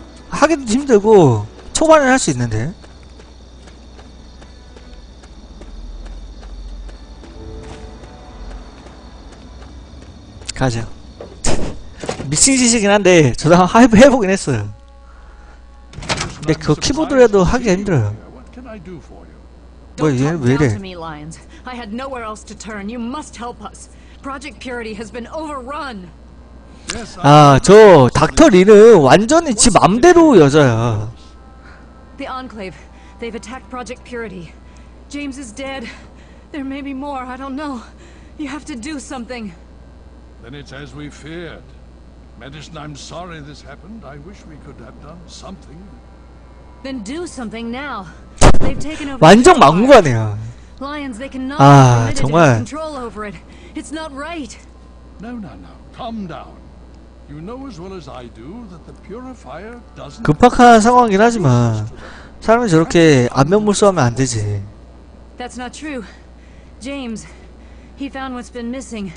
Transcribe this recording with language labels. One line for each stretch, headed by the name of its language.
Korean: 하기도 힘들고 초반에 할 수 있는데 가자. 미친 짓이긴 한데 저도 한 하이브 해보긴 했어요. 근데 그 키보드라도 하기가 힘들어요. 뭐 얘 왜 이래?
English: I had nowhere else to turn. You must help us. Project Purity has been overrun.
Korean: 아, 저 닥터 리는 완전히 지 맘대로 여자야.
English: The Enclave. They've attacked Project Purity. James is dead. There may be more. I don't know. You have to do something. Then it's as we feared. Madison, I'm sorry this happened. I wish we could have done something. Then do something now. They've taken over.
Korean: 완전 막무가내야. 아 정말.
English: It's not right. No, no, no. Calm down. You know as well as I do that the purifier doesn't.
Korean: 급박한 상황이긴 하지만 사람이 저렇게 안면몰수하면 안 되지.
English: That's not true. James, he found what's been missing.